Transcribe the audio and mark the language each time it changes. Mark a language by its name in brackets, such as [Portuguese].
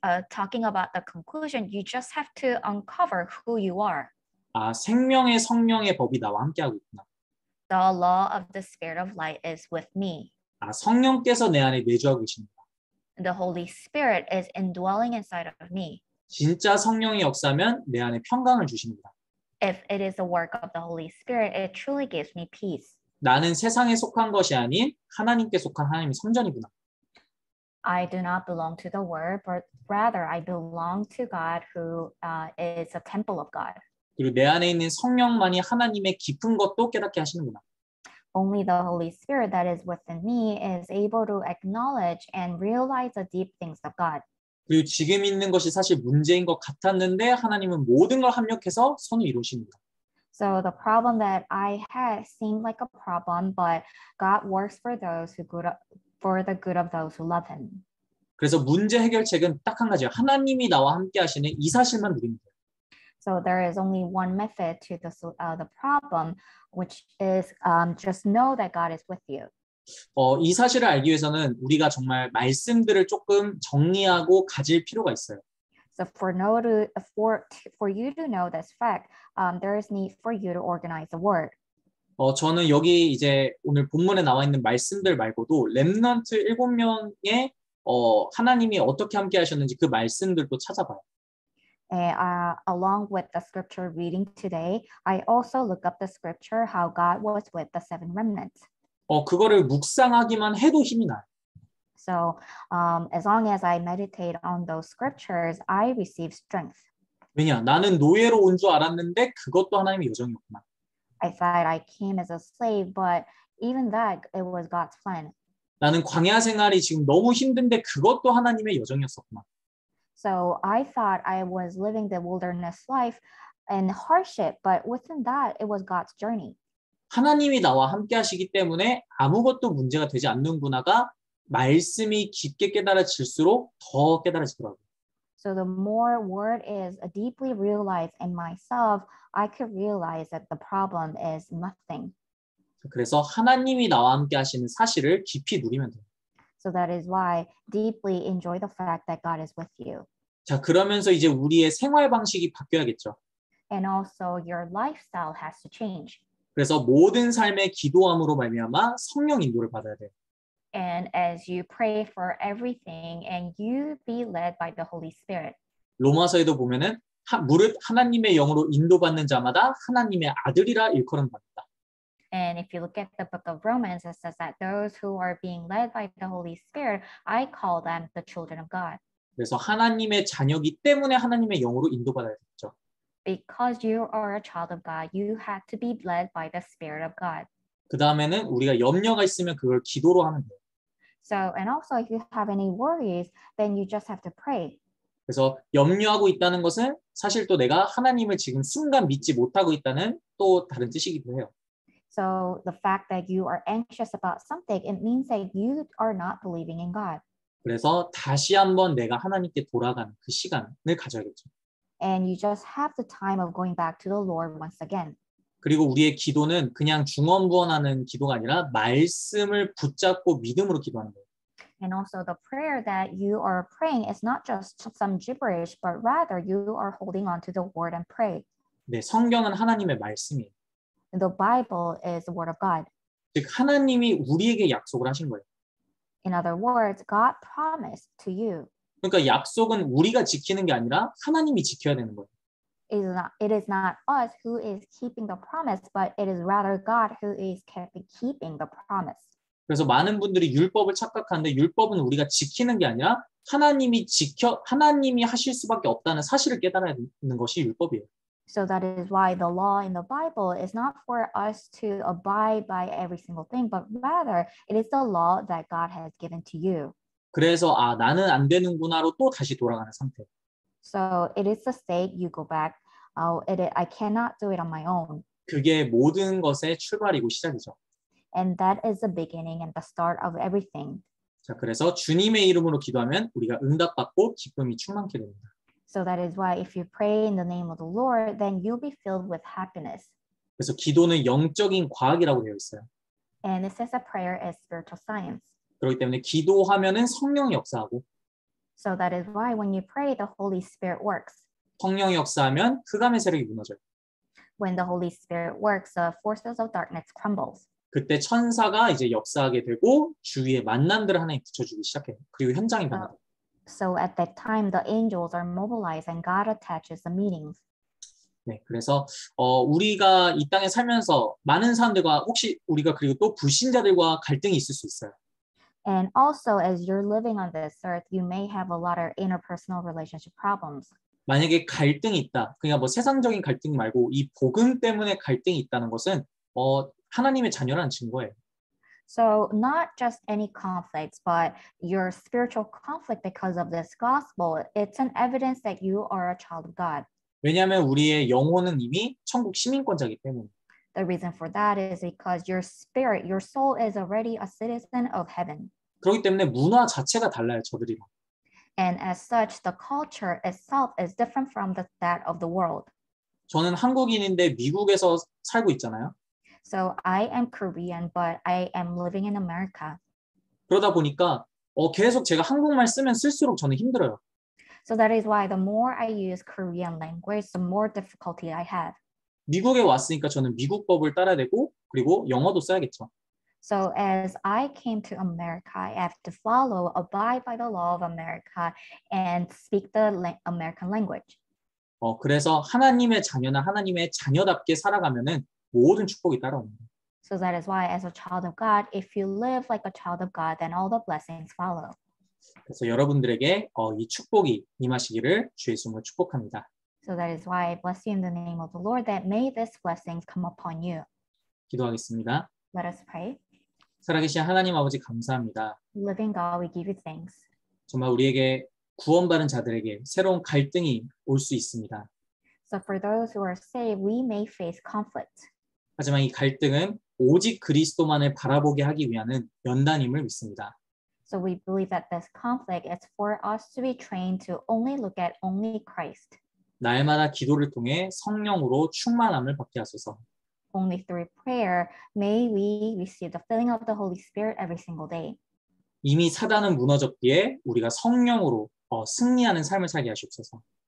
[English] Talking about the conclusion, you just have to uncover who you are. [Korean] 아, 생명의 성령의 법이 나와 함께하고 있구나. [English] The law of the spirit of light is with me. [Korean] 아, 성령께서 내 안에 내주하고 계십니다. [English] The Holy Spirit is indwelling inside of me. [Korean] 진짜 성령의 역사면 내 안에 평강을 주십니다. [English] If it is the work of the Holy Spirit, it truly gives me peace. [Korean] 나는 세상에 속한 것이 아닌 하나님께 속한 하나님의 성전이구나. [English] I do not belong to the world, but rather I belong to God who is a temple of God. [Korean] 그리고 내 안에 있는 성령만이 하나님의 깊은 것도 깨닫게 하시는구나. [English] Only the Holy Spirit that is within me is able to acknowledge and realize the deep things of God. [Korean] 그리고 지금 있는 것이 사실 문제인 것 같았는데 하나님은 모든 걸 합력해서 선을 이루십니다. [English] So the problem that I had seemed like a problem, but God works for those who good for the good of those who love Him. [Korean] 그래서 문제 해결책은 딱 한 가지예요. 하나님이 나와 함께하시는 이 사실만 누리면 돼요. [English] So there is only one method to the problem, which is just know that God is with you. [Korean] 이 사실을 알기 위해서는 우리가 정말 말씀들을 조금 정리하고 가질 필요가 있어요. [English] So for you to know this fact, there is need for you to organize the word. [Korean] 저는 여기 이제 오늘 본문에 나와 있는 말씀들 말고도 렘넌트 7명의 하나님이 어떻게 함께 하셨는지 그 말씀들도 찾아봐요. [English] Along with the scripture reading today, I also look up the scripture how God was with the seven remnants. [Korean] 그거를 묵상하기만 해도 힘이 나요. [English] So, as long as I meditate on those scriptures, I receive strength. [Korean] 왜냐? 나는 노예로 온 줄 알았는데 그것도 하나님의 여정이었구나. [English] I thought I came as a slave, but even that, it was God's plan. [Korean] 나는 광야 생활이 지금 너무 힘든데 그것도 하나님의 여정이었었구나. [English] So I thought I was living the wilderness life and hardship, but within that, it was God's journey. [Korean] 하나님이 나와 함께 하시기 때문에 아무것도 문제가 되지 않는구나가 말씀이 깊게 깨달아질수록 더 깨달아지더라고요. [English] So the more word is deeply realized in myself, I could realize that the problem is nothing. [Korean] 그래서 하나님이 나와 함께 하시는 사실을 깊이 누리면 돼요. [English] So that is why deeply enjoy the fact that God is with you. [Korean] 자, 그러면서 이제 우리의 생활 방식이 바뀌어야겠죠. [English] And also your lifestyle has to change. [Korean] 그래서 모든 삶의 기도함으로 말미암아 성령 인도를 받아야 돼요. [English] And as you pray for everything, and you be led by the Holy Spirit. [Korean] 로마서에도 보면은 무릇 하나님의 영으로 인도받는 자마다 하나님의 아들이라 일컬음 받는다. [English] And if you look at the book of Romans, it says that those who are being led by the Holy Spirit, I call them the children of God. [Korean] 그래서 하나님의 자녀이기 때문에 하나님의 영으로 인도받아야 되죠. [English] Because you are a child of God, you have to be led by the Spirit of God. [Korean] 그 다음에는 우리가 염려가 있으면 그걸 기도로 하면 돼요. [English] So, and also if you have any worries, then you just have to pray. [Korean] 그래서 염려하고 있다는 것은 사실 또 내가 하나님을 지금 순간 믿지 못하고 있다는 또 다른 뜻이기도 해요. [English] So, the fact that you are anxious about something, it means that you are not believing in God. [Korean] 그래서 다시 한번 내가 하나님께 돌아가는 그 시간을 가져야겠죠. [English] And you just have the time of going back to the Lord once again. [Korean] 그리고 우리의 기도는 그냥 중언부언하는 기도가 아니라 말씀을 붙잡고 믿음으로 기도하는 거예요. [English] And also the prayer that you are praying is not just some gibberish, but rather you are holding on to the word and pray. [Korean] 네, 성경은 하나님의 말씀이에요. [English] The Bible is the word of God. [Korean] 즉 하나님이 우리에게 약속을 하신 거예요. [English] In other words, God promised to you. [Korean] 그러니까 약속은 우리가 지키는 게 아니라 하나님이 지켜야 되는 거예요. [English] It is not us who is keeping the promise, but it is rather God who is keeping the promise. [Korean] 그래서 많은 분들이 율법을 착각하는데 율법은 우리가 지키는 게 아니라 하나님이 하실 수밖에 없다는 사실을 깨달아야 되는 것이 율법이에요. [English] So that is why the law in the Bible is not for us to abide by every single thing, but rather it is the law that God has given to you. [Korean] 그래서 아 나는 안 되는구나로 또 다시 돌아가는 상태. [English] So it is the state you go back. I cannot do it on my own. [Korean] 그게 모든 것의 출발이고 시작이죠. [English] And that is the beginning and the start of everything. [Korean] 자 그래서 주님의 이름으로 기도하면 우리가 응답받고 기쁨이 충만케 됩니다. [English] So that is why if you pray in the name of the Lord, then you'll be filled with happiness. [Korean] 그래서 기도는 영적인 과학이라고 되어 있어요. [English] And it says that prayer is spiritual science. [Korean] 그렇기 때문에 기도하면은 성령 역사하고. [English] So that is why when you pray, the Holy Spirit works. [Korean] 성령 역사하면 흑암의 세력이 무너져요. [English] When the Holy Spirit works, the forces of darkness crumbles. [Korean] 그때 천사가 이제 역사하게 되고 주위에 만남들을 하나님 붙여주기 시작해요. 그리고 현장이 변하고. [English] So at that time, the angels are mobilized and God attaches the meetings. [Korean] 네, 그래서 우리가 이 땅에 살면서 많은 사람들과 혹시 우리가 그리고 또 불신자들과 갈등이 있을 수 있어요. [English] And also, as you're living on this earth, you may have a lot of interpersonal relationship problems. [Korean] 만약에 갈등이 있다, 그냥 뭐 세상적인 갈등 말고 이 복음 때문에 갈등이 있다는 것은 하나님의 자녀라는 증거예요. [English] So not just any conflicts, but your spiritual conflict because of this gospel, it's an evidence that you are a child of God. [Korean] 왜냐하면 우리의 영혼은 이미 천국 시민권자이기 때문에. [English] The reason for that is because your spirit, your soul is already a citizen of heaven. [Korean] 그렇기 때문에 문화 자체가 달라요, 저들이랑. [English] And as such, the culture itself is different from that of the world. [Korean] 저는 한국인인데 미국에서 살고 있잖아요. [English] So I am Korean, but I am living in America. [Korean] 그러다 보니까 계속 제가 한국말 쓰면 쓸수록 저는 힘들어요. [English] So that is why the more I use Korean language, the more difficulty I have. [Korean] 미국에 왔으니까 저는 미국법을 따라야 되고 그리고 영어도 써야겠죠. [English] So as I came to America, I have to follow, abide by the law of America and speak the American language. [Korean] 그래서 하나님의 자녀나 하나님의 자녀답게 살아가면은 모든 축복이 따라옵니다. [English] So that is why as a child of God, if you live like a child of God, then all the blessings follow. [Korean] 그래서 여러분들에게 이 축복이 임하시기를 주 예수님을 축복합니다. [English] So that is why I bless you in the name of the Lord that may this blessing come upon you. [Korean] 기도하겠습니다. [English] Let us pray. [Korean] 살아계신 하나님 아버지 감사합니다. [English] Living God, we give you thanks. [Korean] 정말 우리에게 구원받은 자들에게 새로운 갈등이 올 수 있습니다. [English] So for those who are saved, we may face conflict. [Korean] 하지만 이 갈등은 오직 그리스도만을 바라보게 하기 위한 연단임을 믿습니다. [English] So we believe that this conflict is for us to be trained to only look at only Christ. [Korean] 날마다 기도를 통해 성령으로 충만함을 받게 하소서. [English] Only through prayer may we receive the filling of the Holy Spirit every single day. [Korean] 이미 사단은 무너졌기에 우리가 성령으로 승리하는 삶을 살게 하시옵소서.